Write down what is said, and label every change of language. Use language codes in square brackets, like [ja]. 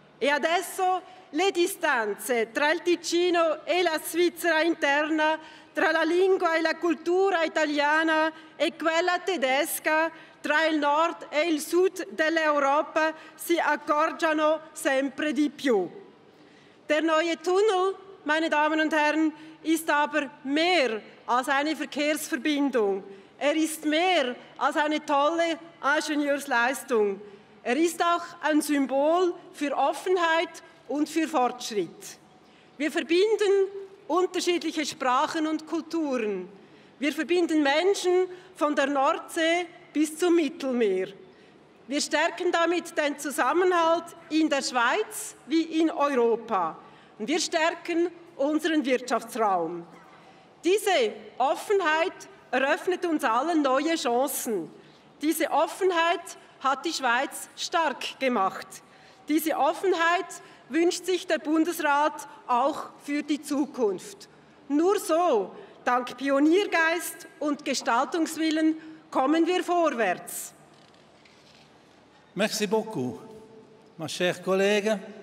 [it] E adesso le distanze tra il Ticino e la Svizzera interna, tra la lingua e la cultura italiana e quella tedesca, tra il nord e il sud dell'Europa, si accorgiano sempre di più. [de] Der neue Tunnel, meine Damen und Herren, ist aber mehr als eine Verkehrsverbindung. Er ist mehr als eine tolle Ingenieursleistung. Er ist auch ein Symbol für Offenheit und für Fortschritt. Wir verbinden unterschiedliche Sprachen und Kulturen. Wir verbinden Menschen von der Nordsee bis zum Mittelmeer. Wir stärken damit den Zusammenhalt in der Schweiz wie in Europa. Und wir stärken unseren Wirtschaftsraum. Diese Offenheit eröffnet uns allen neue Chancen. Diese Offenheit hat die Schweiz stark gemacht. Diese Offenheit wünscht sich der Bundesrat auch für die Zukunft. Nur so, dank Pioniergeist und Gestaltungswillen, kommen wir vorwärts. [fr] Merci beaucoup, ma cher collègue.